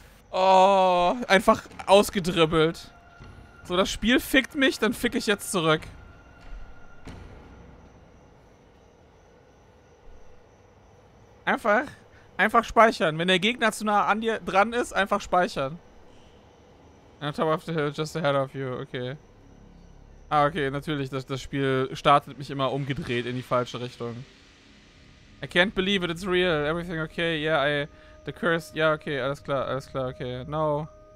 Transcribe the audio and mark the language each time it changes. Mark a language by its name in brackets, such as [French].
[German] Oh, einfach ausgedribbelt. So, das Spiel fickt mich, dann fick ich jetzt zurück. Einfach speichern. Wenn der Gegner zu nah an dir dran ist, einfach speichern. [English] On top of the hill, just ahead of you, okay. [German] Ah, okay, natürlich, das Spiel startet mich immer umgedreht in die falsche Richtung. [English] I can't believe it, it's real, everything okay, yeah, the curse, yeah, okay, [German] alles klar, [English] okay, no.